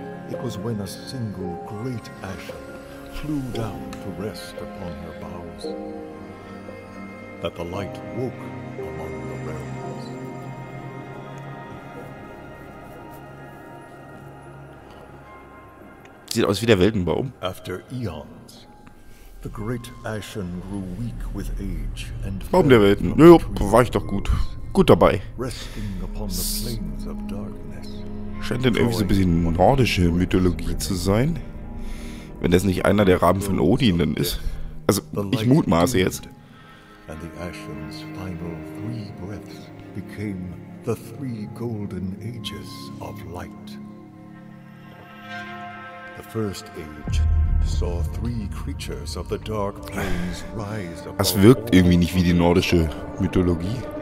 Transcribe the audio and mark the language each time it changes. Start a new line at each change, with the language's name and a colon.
English: It was when a single great ashen flew down to rest upon her boughs that the light woke among the realms.
German: Sieht aus wie der Weltenbaum.
English: After eons, the great ashen grew weak with age and
German: Baum der Welten. Nö, war ich doch gut. Gut dabei. Scheint dann irgendwie so ein bisschen nordische Mythologie zu sein. Wenn das nicht einer der Raben von Odin dann ist. Also, ich mutmaße jetzt.
English: And the ashen's final three breaths became the three golden ages of light. First age saw three creatures of the dark plains rise.
German: Es wirkt irgendwie nicht wie die nordische Mythologie.